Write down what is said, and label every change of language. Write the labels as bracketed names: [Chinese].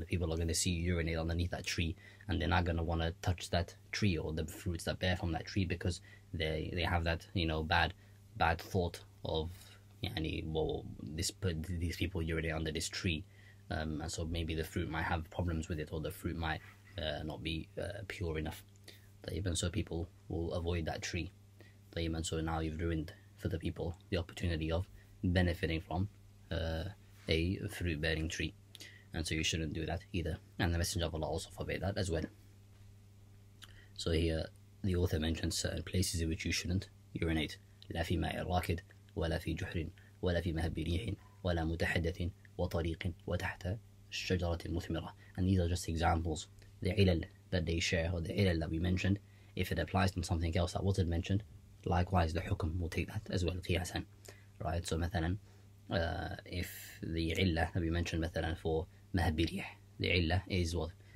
[English] People are going to see you urinate underneath that tree, and they're not going to want to touch that tree or the fruits that bear from that tree, because they have that, you know, bad thought of, yani, well, these people urinate under this tree, and so maybe the fruit might have problems with it, or the fruit might not be pure enough. Even so, people will avoid that tree. Even so, now you've ruined for the people the opportunity of benefiting from a fruit-bearing tree, and so you shouldn't do that either. And the Messenger of Allah also forbade that as well. So here, the author mentions certain places in which you shouldn't urinate: [Arabic] لا في ماء راكد ولا في جحر ولا في مهب ريح ولا متحدث وطريق وتحت الشجرة المثمرة. [English] And these are just examples. The علل that they share, or the علل that we mentioned, if it applies to something else that wasn't mentioned, likewise the حكم will take that as well. [Arabic] قياساً. [English] Right, so مثلا, if the illa that we mentioned مثلا for مهبريح, the illa is what?